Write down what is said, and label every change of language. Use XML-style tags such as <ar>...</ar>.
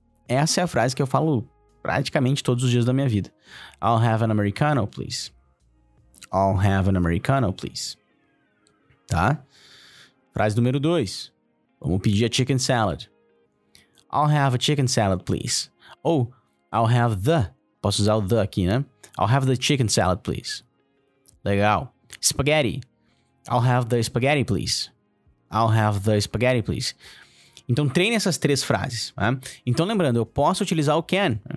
<pt>Essa é a frase que eu falo praticamente todos os dias da minha vida.</pt> <en>I'll have an americano, please. I'll have an americano, please. Tá?</en> <pt>Frase número 2. Vamos pedir a</pt> <en>chicken salad. I'll have a chicken salad, please. Ou, I'll have the.</en> <pt>Posso usar o the aqui, né?</pt> <en>I'll have the chicken salad, please. Legal. Spaghetti. I'll have the spaghetti, please. I'll have the spaghetti, please.</en> <pt>Então, treine essas três frases. Né? Então, lembrando, eu posso utilizar o can.</pt>